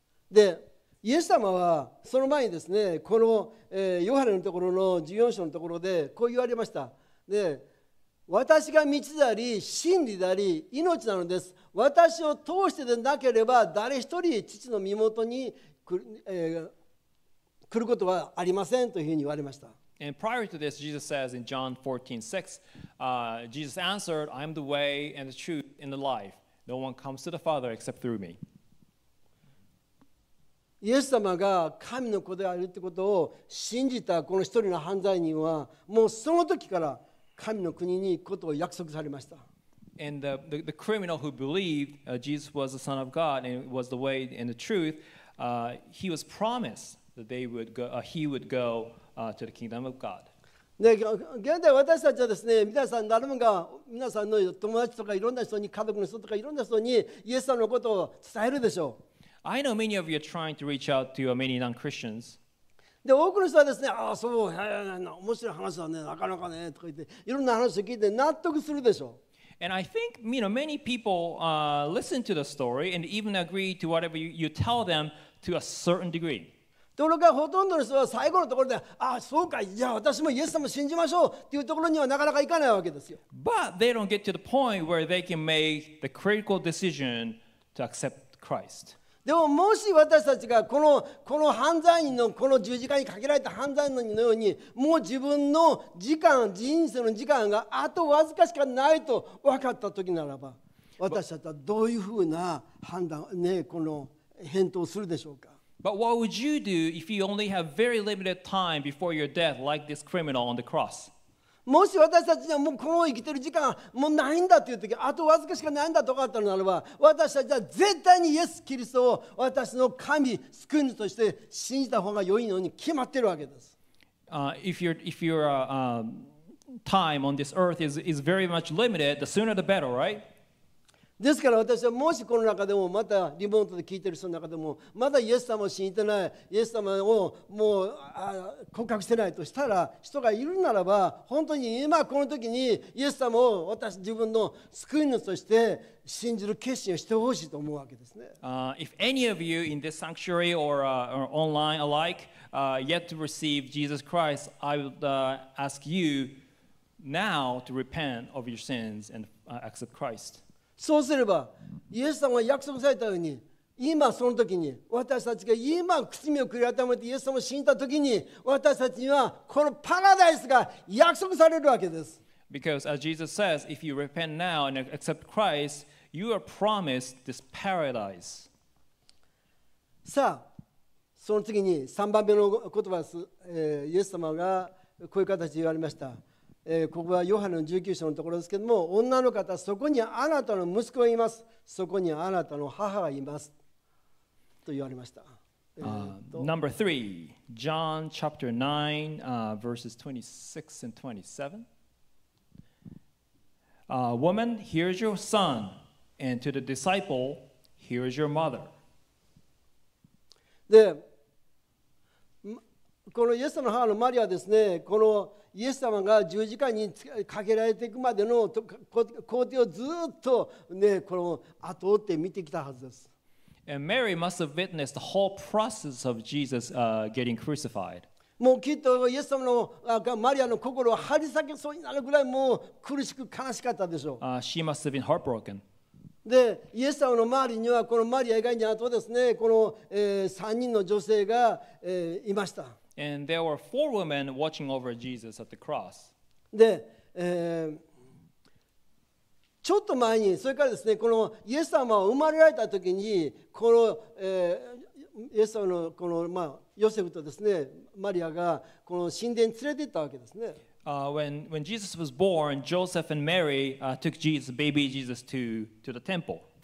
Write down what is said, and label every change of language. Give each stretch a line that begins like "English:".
Japanese: で、イエス様はその前にですね、この、ヨハネのところの14章のところでこう言われました。で、私が道であり、真理であり、命なのです。私を通してでなければ誰一人父の身元に 来ることはありませんというふうに言われました。
English: And prior to this, Jesus says in John 14:6, Jesus answered, I am the way and the truth and the life. No one comes to the Father except through me.
Japanese: イエス様が神の子であるということを信じたこの一人の犯罪人は、もうその時から神の国に行くことを約束されました。
English: And the criminal who believed Jesus was the Son of God and was the way and the truth, he was promised that they would go, he would go to the kingdom of God.
Japanese: 現代私たちはですね、皆さん誰もが皆さんの友達とかいろんな人に、家族の人とかいろんな人にイエス様のことを伝えるでしょう。
English: I know many of you are trying to reach out to many non-Christians.
Japanese: で多くの人はですね、ああそう、面白い話だね、なかなかねとか言って、いろんな話を聞いて納得するでしょう。
English: And I think, you know, many people listen to the story and even agree to whatever you tell them to a certain degree.
Japanese: ところがほとんどの人は最後のところで、ああそうか、じゃあ私もイエス様を信じましょうっていうところにはなかなかいかないわけですよ。
English: But they don't get to the point where they can make the critical decision to accept Christ.
Japanese: でももし私たちがこの犯罪人のこの十字架にかけられた犯罪人のようにもう自分の時間、人生の時間があとわずかしかないと分かった時ならば、私たちはどういうふうな判断、ね、この返答をするでしょうか。
English: But what would you do if you only have very limited time before your death like this criminal on the cross?
Japanese: もし私たちにはもうこの生きてる時間もうないんだという時、あとわずかしかないんだとかあったのならば、私たちは絶対にイエス・キリストを私の神、救い主として信じた方が良いのに決まってるわけです。
English: If your time on this earth is very much limited, the sooner the better, right?
Japanese: ですから私はもしこの中でもまたリモートで聞いている人の中でもまだイエス様を信じてないイエス様をもう告白してないとしたら人がいるならば本当に今この時にイエス様を私自分の救い主として信じる決心をしてほしいと思うわけですね。
English: If any of you in this sanctuary or online alike yet to receive Jesus Christ, I would ask you now to repent of your sins and accept Christ.
Japanese: そうすればイエス様が約束されたように今その時に私たちが今罪を悔い改めてイエス様を信じた時に私たちにはこのパラダイスが約束されるわけです。
English: Because as Jesus says, if you repent now and accept Christ, you are promised this paradise.
Japanese: さあその次に3番目の言葉です、イエス様がこういう形で言われました。ここはヨハネの19章のところですけども、女の方、そこにあなたの息子がいます。そこにあなたの母がいます。と言われました。
English: Number 3, John chapter 9, verses 26 and 27. Woman, here is your son, and to the disciple, here is your mother.
Japanese: で、このイエスの母のマリアですね、このイエス様が十字架にかけられていくまでの工程をずっと、ね、この後を追って見てきたはずです。
English: And Mary must have witnessed the whole process of Jesus getting crucified.
Japanese: もうきっとイエス様のマリアの心を張り裂けそうになるぐらいもう苦しく悲しかったでしょう。
English: She must have been heartbroken.
Japanese: で、イエス様の周りにはこのマリア以外に後ですね、この、3人の女性が、いました。
English: And there were four women watching over Jesus at the cross.
Japanese: で、ちょっと前にそれからですね、このイエス様が生まれられた時にこの、イエス様のこの、まあ、ヨセフとですね、マリアがこの神殿に連れて行ったわけですね。
English: When Jesus was born, Joseph and Mary took Jesus, baby Jesus, to the temple.